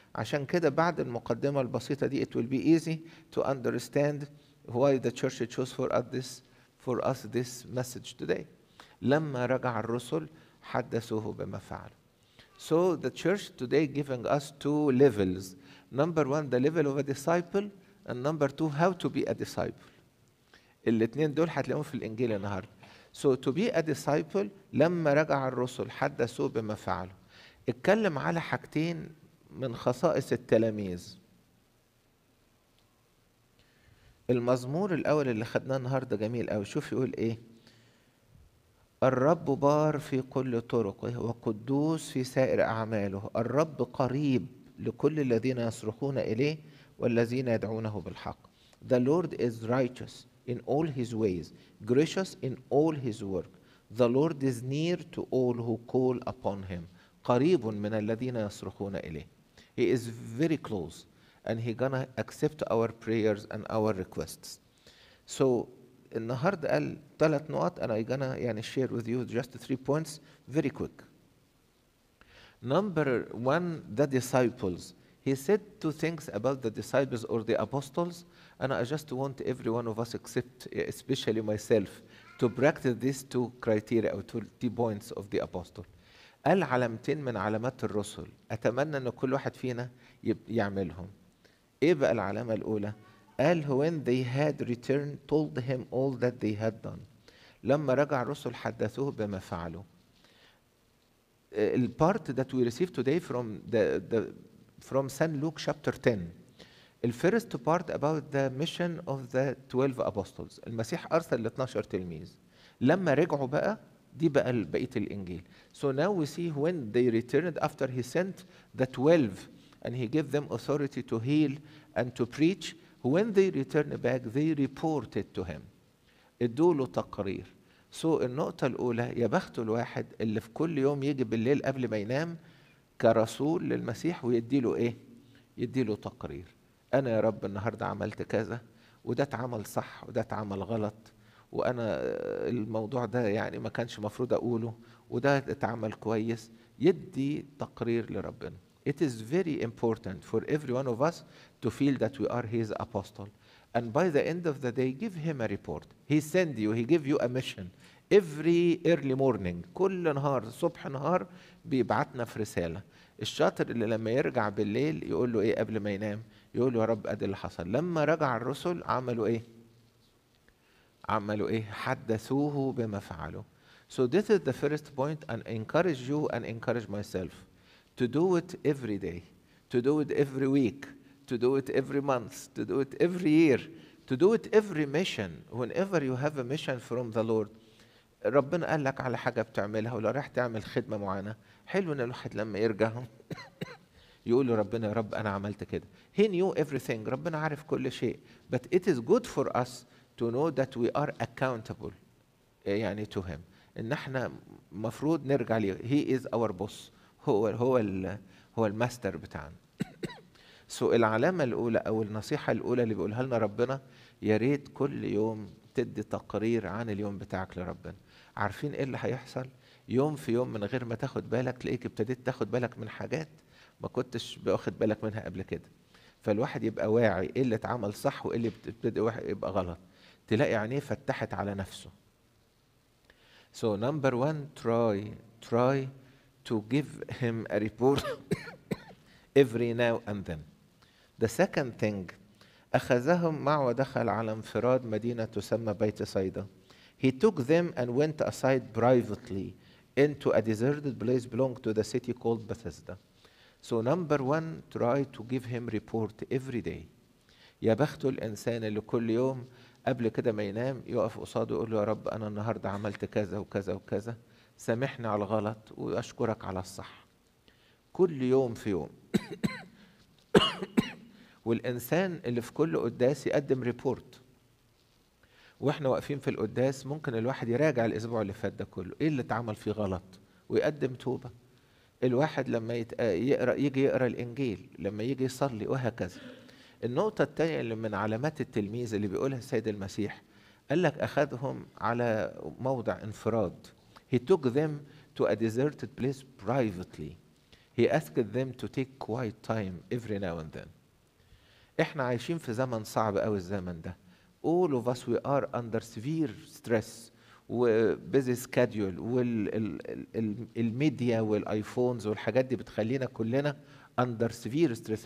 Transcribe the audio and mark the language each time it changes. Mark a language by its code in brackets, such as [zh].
[ar] عشان كده بعد المقدمة البسيطة دي [en] it will be easy to understand why the church chose for us this message today. [ar] لما رجع الرسل حدثوه بما فعل. [en] So the church today giving us 2 levels. Number 1, the level of a disciple, and number 2, how to be a disciple. [ar] الاثنين دول هتلاقيهم في الإنجيل النهاردة. [en] So to be a disciple, [ar] لما رجع الرسل حدثوا بما فعلوا. اتكلم على حاجتين من خصائص التلاميذ. المزمور الأول اللي خدناه النهاردة جميل قوي، شوف يقول إيه. الرب بار في كل طرقه وقدوس في سائر أعماله، الرب قريب لكل الذين يصرخون إليه والذين يدعونه بالحق. [en] The Lord is righteous in all his ways, gracious in all his work. The Lord is near to all who call upon him. [ar] قريب من الذين يصرخون إليه. [en] He is very close and he gonna accept our prayers and our requests. So [ar] النهاردة قال ثلاث نقاط [en] and I gonna [ar] يعني [en] share with you just three points very quick. Number one, the disciples. He said two things about the disciples or the apostles, and I just want every one of us, except especially myself, to practice these two criteria or two points of the apostle. [ar] قال علامتين من علامات الرسل أتمنى أن كل واحد فينا يعملهم. إيه بقى العلامة الأولى؟ قال [en] when they had returned told him all that they had done. [ar] لما رجع الرسل حدثوه بما فعلوا. [en] The part that we receive today from from St. Luke chapter 10. The first part about the mission of the 12 apostles. [ar] المسيح أرسل الـ 12 تلميذ. لما رجعوا بقى دي بقى بقية الإنجيل. [en] So now we see when they returned after he sent the 12 and he gave them authority to heal and to preach. When they returned back they reported to him. [ar] ادوا له تقرير. So النقطة الأولى يا بخت الواحد اللي في كل يوم يجي بالليل قبل ما ينام كرسول للمسيح ويدي له إيه؟ يدي له تقرير. أنا يا رب النهاردة عملت كذا وده اتعمل صح وده اتعمل غلط وأنا الموضوع ده يعني ما كانش مفروض أقوله وده اتعمل كويس. يدي تقرير لربنا. [en] It is very important for every one of us to feel that we are his apostle. And by the end of the day give him a report. He send you, he give you a mission. Every early morning, [ar] كل نهار صبح نهار بيبعتنا في رسالة. الشاطر اللي لما يرجع بالليل يقول له إيه قبل ما ينام؟ يقول له يا رب أدي اللي حصل. لما رجع الرسل عملوا إيه؟ عملوا إيه؟ حدثوه بما فعلوا. [en] So this is the first point and encourage you and encourage myself to do it every day, to do it every week, to do it every month, to do it every year, to do it every mission. Whenever you have a mission from the Lord, [ar] ربنا قال لك على حاجة بتعملها ولو رايح تعمل خدمة معانا حلو إن الواحد لما يرجع يقول ربنا يا رب أنا عملت كده. [en] He knew everything. [ar] ربنا عارف كل شيء. [en] But it is good for us to know that we are accountable [ar] يعني [en] to him. [ar] إن احنا مفروض نرجع ليه. [en] He is our boss. [ar] هو الماستر بتاعنا. So العلامة الأولى أو النصيحة الأولى اللي بيقولها لنا ربنا يا ريت كل يوم تدي تقرير عن اليوم بتاعك لربنا. عارفين ايه اللي هيحصل؟ يوم في يوم من غير ما تاخد بالك تلاقيك ابتديت تاخد بالك من حاجات ما كنتش باخد بالك منها قبل كده. فالواحد يبقى واعي ايه اللي اتعمل صح وايه اللي ابتدى يبقى غلط. تلاقي عينيه فتحت على نفسه. [en] So number one, try to give him a report every now and then. The second thing, [ar] اخذهم معه ودخل على انفراد مدينة تسمى بيت صيدا. [en] He took them and went aside privately into a deserted place belonging to the city called Bethesda. So number one, try to give him report every day. [ar] يا بخت الإنسان اللي كل يوم قبل كده ما ينام يقف قصاده ويقول له يا رب أنا النهاردة عملت كذا وكذا وكذا. سامحني على الغلط وأشكرك على الصح. كل يوم في يوم. والإنسان اللي في كل قداس يقدم report. واحنا واقفين في القداس ممكن الواحد يراجع الاسبوع اللي فات ده كله ايه اللي اتعمل فيه غلط ويقدم توبه. الواحد لما يقرا الانجيل لما يجي يصلي وهكذا. النقطه الثانيه اللي من علامات التلميذ اللي بيقولها السيد المسيح قال لك اخذهم على موضع انفراد. [en] He took them to a deserted place privately. He asked them to take quiet time every now and then. [ar] احنا عايشين في زمن صعب قوي الزمن ده. [en] All of us we are under severe stress وbusy schedule [ar] والميديا والايفونز والحاجات دي بتخلينا كلنا [en] under severe stress.